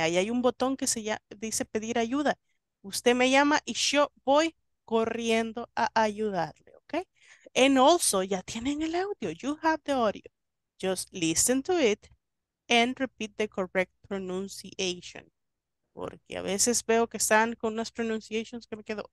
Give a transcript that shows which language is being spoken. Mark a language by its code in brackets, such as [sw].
[es] Ahí hay un botón que dice pedir ayuda. Usted me llama y yo voy corriendo a ayudarle, ¿ok? [en] And also, [es] ya tienen el audio. [en] You have the audio. Just listen to it and repeat the correct pronunciation. [es] Porque a veces veo que están con unas pronunciations que me quedo.